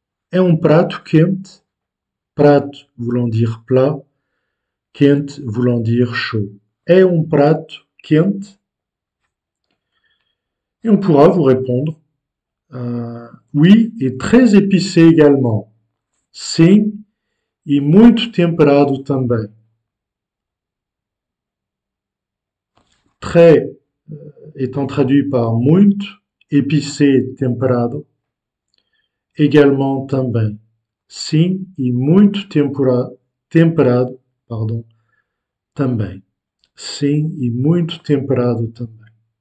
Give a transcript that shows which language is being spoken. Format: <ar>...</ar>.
<pt>É um prato quente?</pt> <fr>Prato voulant dire plat, quente voulant dire chaud.</fr> <pt>É um prato quente?</pt> <fr>Et on pourra vous répondre oui, et très épicé également.</fr> <pt>Sim, e muito temperado também.</pt> <fr>Très étant traduit par muito, épicé, temperado, également também.</fr> <pt>Sim, e muito temperado,</pt> <fr>pardon,</fr> <pt>também. Sim, e muito temperado também.</pt>